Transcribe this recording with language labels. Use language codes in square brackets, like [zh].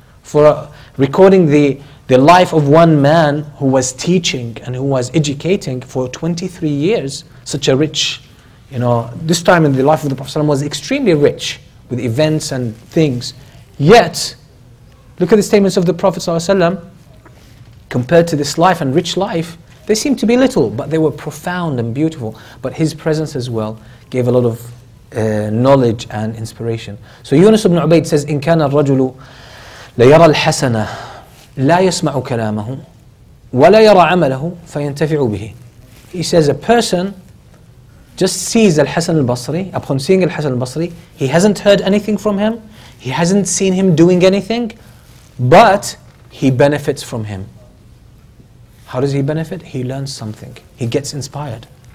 [en] For recording the life of one man who was teaching and who was educating for 23 years, such a rich, you know, this time in the life of the Prophet ﷺ was extremely rich with events and things. Yet, look at the statements of the Prophet ﷺ compared to this life and rich life. They seemed to be little, but they were profound and beautiful. But his presence as well gave a lot of knowledge and inspiration. So Yunus ibn Ubayd says, [ar] إِن كَانَ الرَّجُلُ لَيَرَى الْحَسَنَ لَا يَسْمَعُ كَلَامَهُ وَلَا يَرَى عَمَلَهُ فَيَنْتَفِعُ بِهِ. [en] He says a person just sees Al-Hasan al-Basri. Upon seeing Al-Hasan al-Basri, he hasn't heard anything from him. He hasn't seen him doing anything, but he benefits from him. How does he benefit? He learns something. He gets inspired.